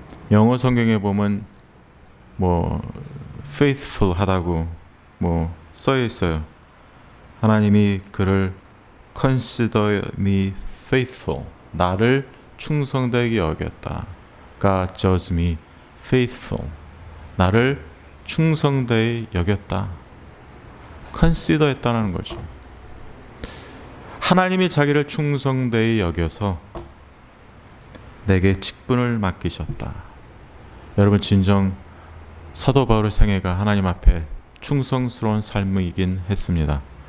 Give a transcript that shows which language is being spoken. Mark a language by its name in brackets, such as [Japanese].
[Korean] 영어 성경에 보면 뭐 faithful 하다고 뭐 써 있어요. 하나님이 그를 [English] consider me faithful, [Korean] 나를 충성되게 여겼다. [English] God judged me faithful, [Korean] 나를 충성되게 여겼다. consider 했다는 거죠. 하나님이 자기를 충성되게 여겨서 내게 직분을 맡기셨다. 여러분, 진정 사도 바울의 생애가 하나님 앞에 충성스러운 삶이긴 했습니다.